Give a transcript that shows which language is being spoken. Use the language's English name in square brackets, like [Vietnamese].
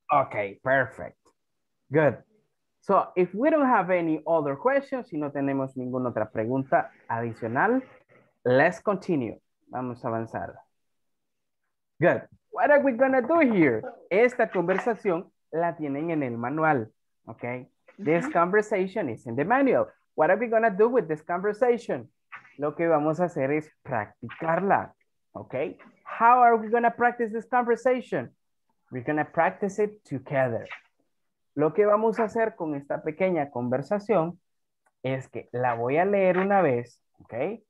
[English] Ok, perfect. Good. So, if we don't have any other questions, [Spanish] si no tenemos ninguna otra pregunta adicional, [English] let's continue. [Spanish] Vamos a avanzar. [English] Good. What are we gonna do here? [Spanish] Esta conversación la tienen en el manual, okay? [English] This conversation is in the manual. What are we gonna do with this conversation? [Spanish] Lo que vamos a hacer es practicarla, okay? [English] How are we gonna practice this conversation? We're gonna practice it together. [Spanish] Lo que vamos a hacer con esta pequeña conversación es que la voy a leer una vez, okay?